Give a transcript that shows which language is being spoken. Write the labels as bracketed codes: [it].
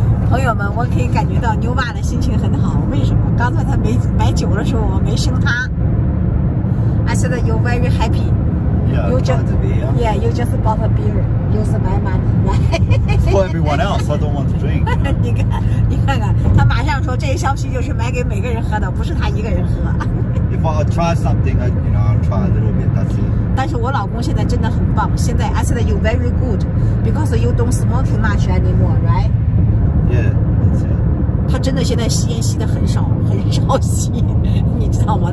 [zh] 朋友们，我可以感觉到牛爸的心情很好。为什么？刚才他没买酒的时候，我没生他。 [en] I said you very happy. You just bought a beer. Yeah, you just bought a beer. Use my money. For everyone else, I don't want to drink. [zh] 你看看，他马上说这一箱啤酒是买给每个人喝的，不是他一个人喝。 [en] If I try something, I'll try a little bit. That's it. [zh] 但是我老公现在真的很棒。现在 [en] I said you very good because you don't smoke much anymore, right? Yeah, [zh] 他真的现在吸烟吸的很少，很少吸，你知道吗？